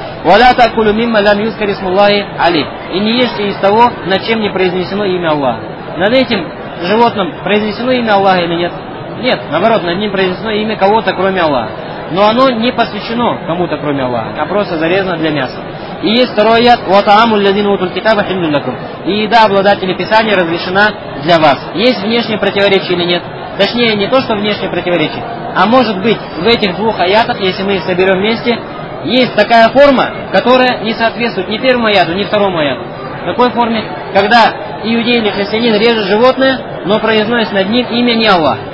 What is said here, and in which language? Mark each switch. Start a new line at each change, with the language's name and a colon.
Arabic: وَلَا تَأْكُلُوا مِمَّا لَمْ يُذْكَرِ اسْمُ اللَّهِ عَلَيْهِ.
Russian: И не ешьте из того, над чем не произнесено имя Аллаха. Над этим животным произнесено имя Аллаха или нет? Нет, наоборот, над ним произнесено имя кого-то, кроме Аллаха. Но оно не посвящено кому-то, кроме Аллаха, а просто зарезано для мяса. И есть второй яд,
Arabic: وَطَعَامُ الَّذِينَ أُوتُوا الْكِتَابَ حِلٌّ لَكُمْ.
Russian: И еда обладателя Писания разрешена для вас. Есть внешнее противоречие или нет? Точнее, не то, что внешнее противоречие, а может быть, в этих двух аятах, если мы их соберем вместе, есть такая форма, которая не соответствует ни первому аяту, ни второму аяту. В такой форме, когда иудей или христианин режет животное, но произносит над ним имя не Аллах.